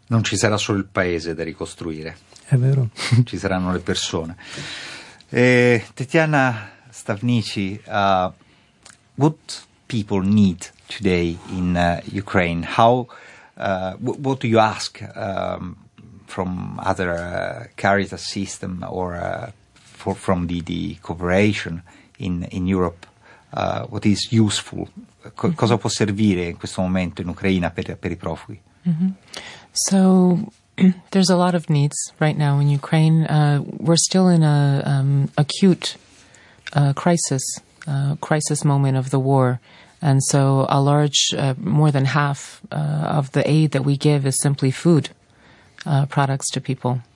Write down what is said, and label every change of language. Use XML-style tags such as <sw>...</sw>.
<it>Non ci sarà solo il paese da ricostruire. È vero. Ci saranno le persone.</it> <en>Tetiana Stavnici, what people need today in Ukraine? How? What do you ask from other Caritas system or from the cooperation in Europe, what is useful?</en> <it>Cosa può servire in questo momento in Ucraina per I profughi?</it> <en>So there's a lot of needs right now in Ukraine. We're still in a acute crisis moment of the war. And so a large, more than half of the aid that we give is simply food products to people.</en>